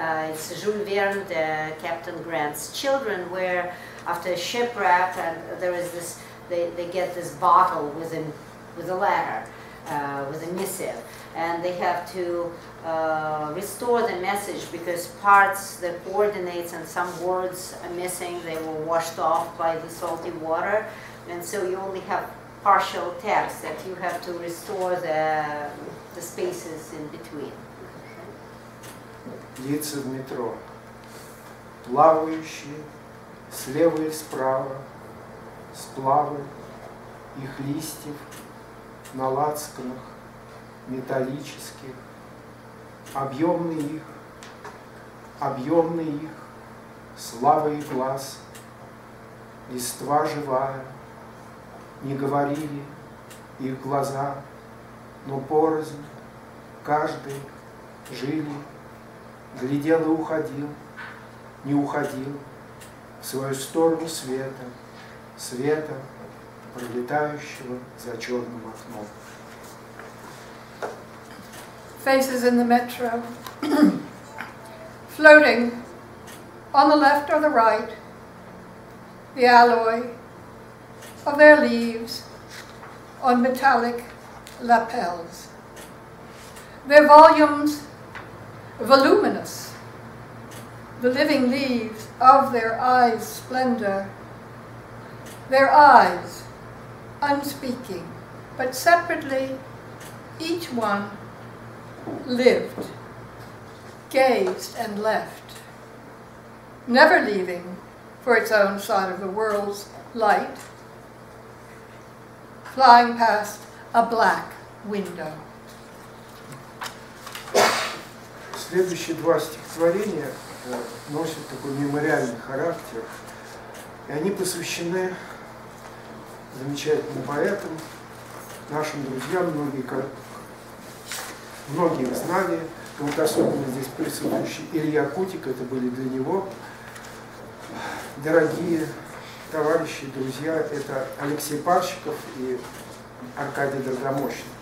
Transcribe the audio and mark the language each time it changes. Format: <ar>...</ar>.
<en>It's Jules Verne, the Captain Grant's Children, where after a shipwreck, and there is this, they get this bottle with a letter, with a missive, and they have to restore the message because parts, the coordinates and some words are missing, they were washed off by the salty water, and so you only have partial text that you have to restore the spaces in between.</en> <ru>Лица в метро, плавающие, слева и справа, сплавы, их листьев, на лацканах, металлических, объемные их, слава и глаз, листва живая, не говорили их глаза, но порознь, каждый жили, глядел и уходил, не уходил в свою сторону света, света, пролетающего за черным окном.</ru> <en>Faces in the metro, floating on the left or the right, the alloy of their leaves on metallic lapels. Their volumes voluminous, the living leaves of their eyes' splendor, their eyes unspeaking, but separately, each one lived, gazed and left, never leaving for its own side of the world's light, flying past a black window.</en> <ru>Следующие два стихотворения носят такой мемориальный характер, и они посвящены замечательным поэтам, нашим друзьям, многие знали, вот особенно здесь присутствующий Илья Кутик, это были для него дорогие товарищи, друзья, это Алексей Парщиков и Аркадий Драгомощенко.</ru>